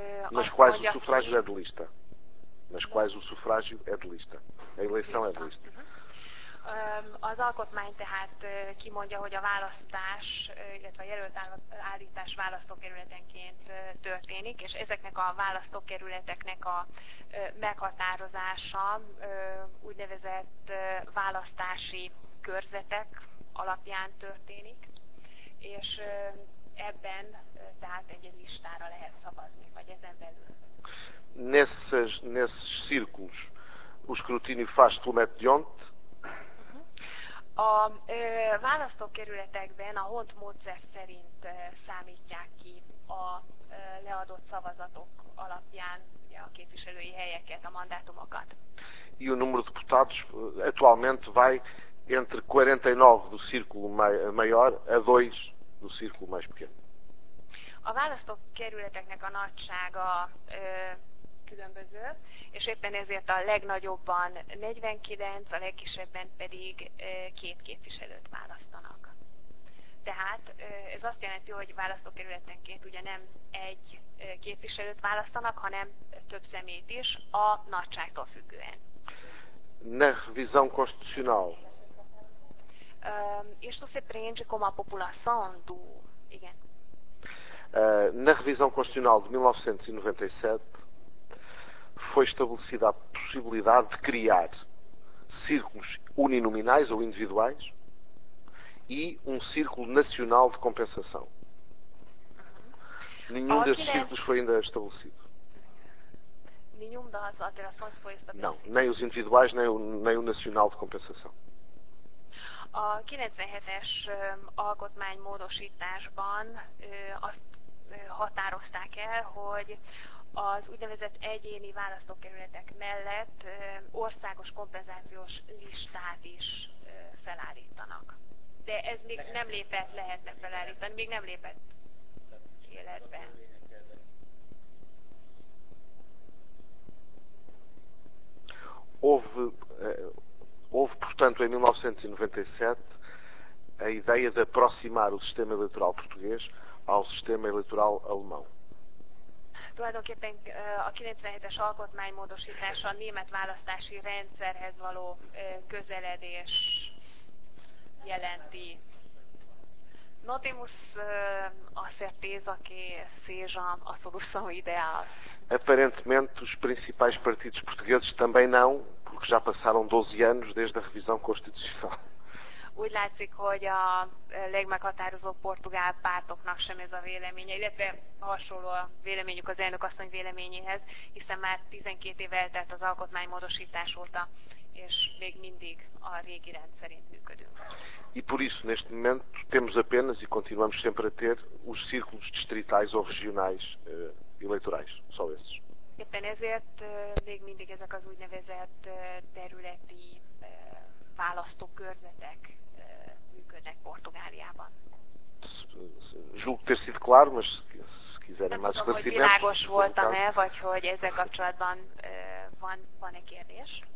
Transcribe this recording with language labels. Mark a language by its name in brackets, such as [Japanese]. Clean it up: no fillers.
[Portuguese] Nas quais o sufrágio é de lista. Nas quais o sufrágio é de lista. A eleição é de lista. [Hungarian] Az alkotmány tehát kimondja, hogy a választás, illetve a jelölt állítás választókerületenként történik, és ezeknek a választókerületeknek a meghatározása úgynevezett választási körzetek alapján történik, és ebben tehát egy listára lehet szavazni, vagy ezen belül. [Portuguese] Nesses círculos, o escrutínio faz pelo método de onde? [Hungarian] A választókerületekben a HONT módszer szerint számítják ki a leadott szavazatok alapján ugye, a képviselői helyeket, a mandátumokat. [Portuguese] E o número de deputados atualmente vai entre 49 do círculo maior a 2 do círculo mais pequeno. [Hungarian] A választókerületeknek a nagysága különböző, és éppen ezért a legnagyobban 49, a legkisebben pedig 2 képviselőt választanak. Tehát ez azt jelenti, hogy választókerületenként ugye nem egy képviselőt választanak, hanem több szemét is, a nagyságtól függően. [Portuguese] Ne, visão constitucional. Isto se prende com a população do... [Hungarian] Igen. [Portuguese] Na revisão constitucional de 1997 foi estabelecida a possibilidade de criar círculos uninominais ou individuais e um círculo nacional de compensação. Nenhum desses círculos foi ainda estabelecido. Nenhum das alterações foi estabelecido? Não, nem os individuais, nem o nacional de compensação. [Hungarian] A 97-es alkotmánymódosításban azt határozták el, hogy az úgynevezett egyéni választókerületek mellett országos kompenzációs listát is felállítanak. De ez még nem lépett, lehetne felállítani, még nem lépett életbe. [Portuguese] Houve, portanto, em 1997, a ideia de aproximar o sistema eleitoral português ao sistema eleitoral alemão. [Hungarian] Tulajdonképpen a 97-es alkotmánymódosítás a német választási rendszerhez való közeledés jelenti. [Portuguese] Notemus a certeza que seja a solução ideal. Aparentemente, os principais partidos portugueses também não, porque já passaram 12 anos desde a revisão constitucional. [Hungarian] Úgy látszik, hogy a legmeghatározóbb portugál pártoknak sem ez a véleménye, illetve hasonló a véleményük az elnökasszony véleményéhez, hiszen már 12 év eltelt az alkotmánymódosítás óta, és még mindig a régi rendszerint működünk. [Portuguese] E por isso, neste momento, temos apenas e continuamos sempre a ter os círculos distritais ou regionais eleitorais, só esses. [Hungarian] Éppen ezért még mindig ezek az úgynevezett területi választókörzetek működnek Portugáliában. [Portuguese] Julgo ter sido claro, mas se quiserem mais esclarecimentos... [Hungarian] Nem tudom, hogy világos voltam-e, vagy hogy ezzel kapcsolatban van-e kérdés?